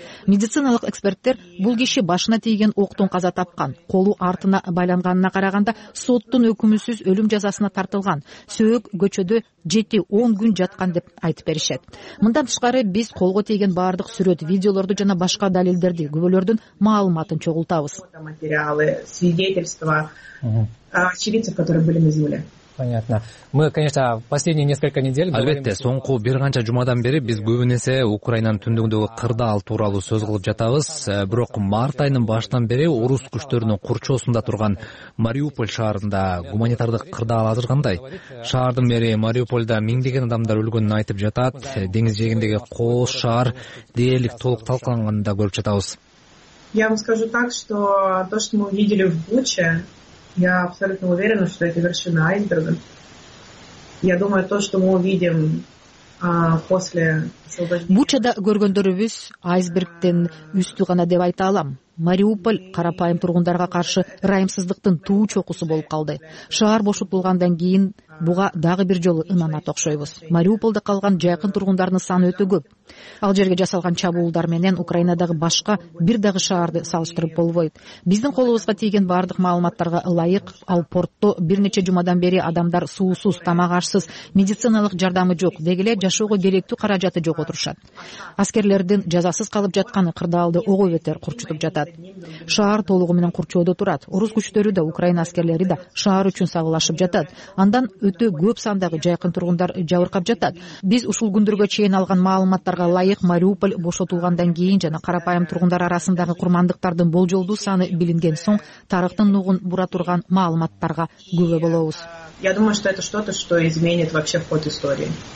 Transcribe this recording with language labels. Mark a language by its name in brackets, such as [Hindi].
[Kyrgyz] Медициналык эксперттер бул киши башына тийген октон каза тапкан, колу артына байланганына караганда соттун өкүмүсүз өлүм жазасына тартылган, сөөк көчөдө 7-10 күн жаткан деп айтып беришет. Мындан тышкары биз колго тийген баардык сүрөт, видеолорду жана башка далилдерди, күбөлөрдүн маалыматын чогултабыз. [Russian] Материалы, свидетельства очевидцев, которые были на земле. Понятно. Мы, конечно, последние несколько недель [Kyrgyz] албетте, соңку бир канча жумадан бери биз көбүнесе Украинанын түндүгүндөгү кырдаал тууралуу сөз кылып жатабыз. Бирок март айынын башынан бери орус күчтөрүнүн курчоосунда турган Мариуполь шаарында гуманитардык кырдаал азыр кандай? Шаардын мэри Мариуполда миңдеген адамдар өлгөнүн айтып жатат. Деңиз жээгиндеги кол шаар дээрлик толук талкаланганын да көрүп жатабыз. [Russian] Я вам скажу так, что то, что мы видели в Буче, я абсолютно уверена, что это вершина айсберга. Я думаю, то, что мы увидим после освобождения. [Kyrgyz] Бучада көргөндөрүбүз айсбергтен үстү гана деп айта алам. Мариуполь карапайым тургундарга каршы ырайымсыздыктын туу чокусу болуп калды. Шаар бошотулгандан кийин буга дагы бир жолу ынанат окшойбуз. Мариуполда калган жакын тургундардын саны өтө көп. Ал жерге жасалган чабуулдар менен Украинадагы башка бир дагы шаарды салыштырып болбойт. Биздин колубузга тийген бардык маалыматтарга ылайык, ал портто бир нече жумадан бери адамдар суусуз, тамак ашсыз, медициналык жардамы жок, деги эле жашоого керектүү каражаты жок отурушат. Аскерлердин жазасыз калып жатканы кырдаалды ого бетер курчутуп жатат. Шаар толугу менен курчоодо турат. Орус күчтөрү да, Украина аскерлери да шаар үчүн сагылашып жатат. Андан өтө көп сандагы жайкын тургундар жабыркап жатат. Биз ушул күндөргө чейин алган маалыматтарга ылайык, Мариуполь бошотулгандан кийин жана карапайым тургундар арасындагы курмандыктардын болжолдуу саны билинген соң тарыхтын нугун бура турган маалыматтарга күбө болобуз. [Russian] Я думаю, что это что-то, что изменит вообще ход истории.